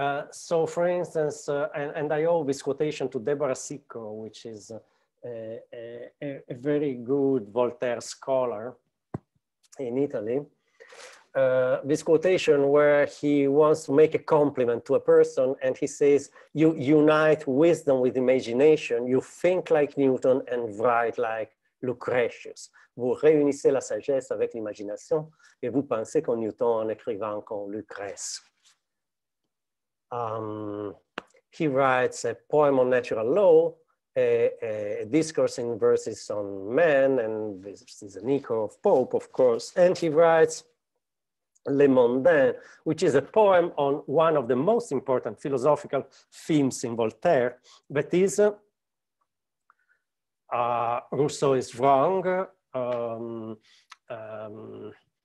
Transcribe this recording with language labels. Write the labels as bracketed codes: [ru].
[en] So for instance, and I owe this quotation to Deborah Sicco, which is a very good Voltaire scholar in Italy. This quotation where he wants to make a compliment to a person, and he says, "You unite wisdom with imagination, you think like Newton and write like Lucretius. [fr] Vous réunissez la sagesse avec l'imagination et vous pensez comme Newton en écrivant comme Lucrèce." [en] He writes a poem on natural law, a discourse in verses on man, and this is an echo of Pope, of course, and he writes Le Mondain, which is a poem on one of the most important philosophical themes in Voltaire, that is, Rousseau is wrong,